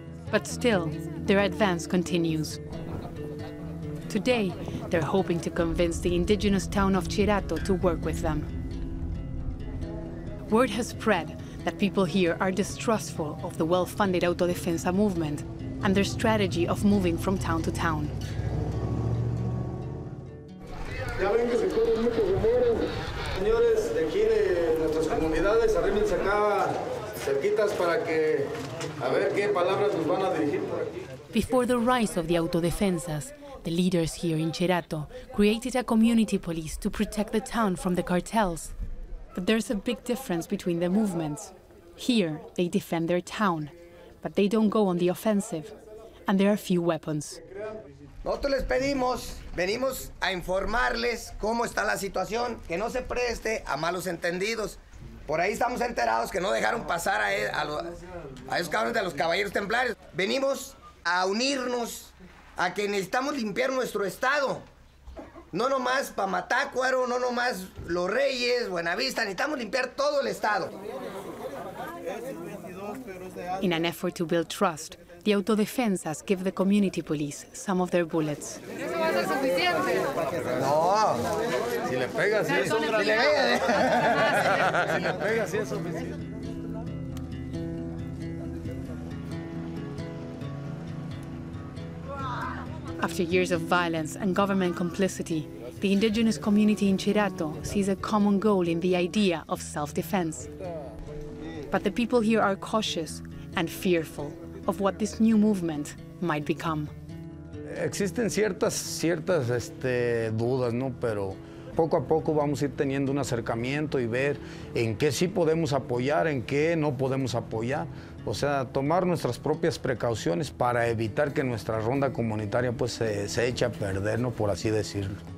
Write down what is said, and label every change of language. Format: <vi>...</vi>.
<en>But still, their advance continues. Today, they're hoping to convince the indigenous town of Chirato to work with them. Word has spread that people here are distrustful of the well-funded autodefensa movement and their strategy of moving from town to town.</en> <es>Ya ven que se corren muchos rumores. Señores de aquí, de nuestras comunidades, arrímense acá, cerquitas, para que a ver qué palabras nos van a dirigir por aquí.</es> <en>Before the rise of the autodefensas, the leaders here in Chirato created a community police to protect the town from the cartels. But there's a big difference between the movements. Here, they defend their town, but they don't go on the offensive, and there are few weapons.</en> <es>Nosotros les pedimos, venimos a informarles cómo está la situación, que no se preste a malos entendidos. Por ahí estamos enterados que no dejaron pasar a esos cabrones de los caballeros templares. Venimos a unirnos a que necesitamos limpiar nuestro estado. No nomás Pamatácuaro, no nomás Los Reyes, Buenavista, necesitamos limpiar todo el estado.</es> <en>In an effort to build trust, the autodefensas give the community police some of their bullets.</en> <es>No. Si le pega, si es suficiente.</es> <en>After years of violence and government complicity, the indigenous community in Chirato sees a common goal in the idea of self-defense. But the people here are cautious and fearful of what this new movement might become.</en> <es>Existen ciertas dudas, ¿no? Pero poco a poco vamos a ir teniendo un acercamiento y ver en qué sí podemos apoyar, en qué no podemos apoyar. O sea, tomar nuestras propias precauciones para evitar que nuestra ronda comunitaria pues se eche a perder, ¿no? Por así decirlo.</es>